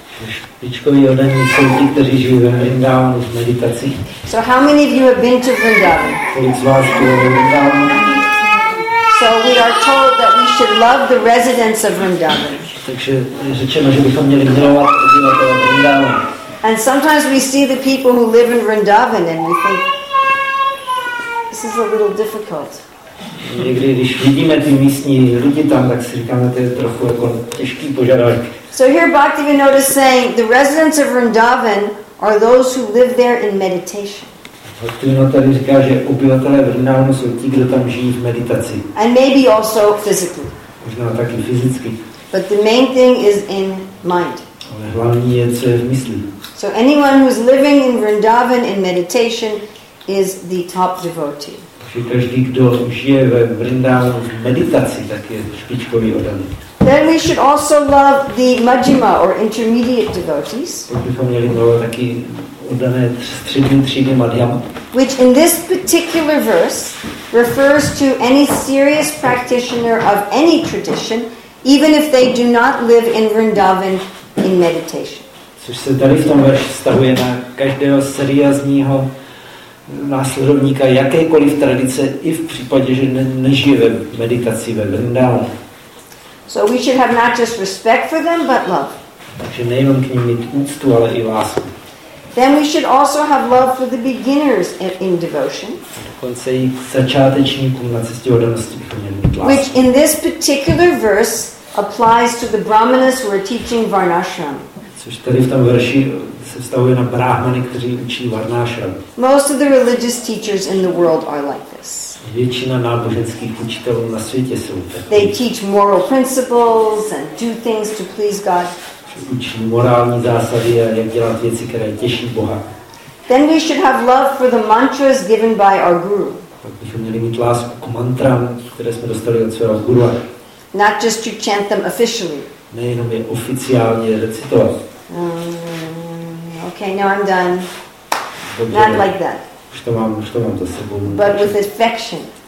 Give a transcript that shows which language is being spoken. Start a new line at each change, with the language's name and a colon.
Czech: Špičkoví oddaní jsou ti, kteří žijí ve Vrindavanu v meditaci.
English: So how many of you have been to Vrindavan?
Czech: Kolik z vás bylo ve Vrindavanu?
English: So we are told that we should love the residents of Vrindavan.
Czech: Takže je řečeno, že bychom měli milovat obyvatele Vrindavanu.
English: And sometimes we see the people who live in Vrindavan and we think this is a little difficult.
Czech: Někdy, když vidíme ty místní lidi tam, tak si říkáme, to je trochu jako těžký požadavek.
English: So here Bhaktivinoda is saying the residents of Vrindavan are those who live there in meditation.
Czech: Bhaktivinoda říká, že obyvatelé Vrindavanu jsou ti, kdo tam žijí v meditaci.
English: And maybe also physically.
Czech: Možná taky fyzicky.
English: But the main thing is in mind.
Czech: Ale hlavní je, co je v mysli.
English: So anyone who's living in Vrindavan in meditation is the top devotee.
Czech: Takže každý, kdo žije ve Vrindavanu v meditaci, tak je špičkový oddaný.
English: Then we should also love the majjhima or intermediate devotees.
Czech: Bychom měli milovat taky oddané střední třídy madhyama.
English: Which in this particular verse refers to any serious practitioner of any tradition, even if they do not live in Vrindavan in meditation.
Czech: Což se tady v tom verši vztahuje na každého seriózního následovníka jakékoliv tradice, i v případě, že nežije ve meditaci ve Vrindavanu.
English: So we should have not just respect for them, but love.
Czech: Takže nejenom k ním mít úctu, ale i lásku.
English: Then we should also have love for the beginners in devotion.
Czech: Dokonce i začátečníkům na cestě odanosti bychom měli mít lásku.
English: Which in this particular verse applies to the brahmanas who are teaching varnashram.
Czech: Což tady v tom verši se vztahuje na brahmany, kteří učí varnashram.
English: Most of the religious teachers in the world are like this.
Czech: Většina náboženských učitelů na světě jsou takový.
English: They teach moral principles and do things to please God.
Czech: Učí morální zásady a jak dělat věci, které těší Boha.
English: Then we should have love for the mantras given by our guru.
Czech: Tak bychom měli mít lásku k mantram, které jsme dostali od svého guru.
English: Not just to chant them officially.
Czech: nejenom je oficiálně recitovat.
English: Okay, now I'm done.
Czech: Dobře,
English: not like that.
Czech: Už to mám za sebou.
English: But with affection.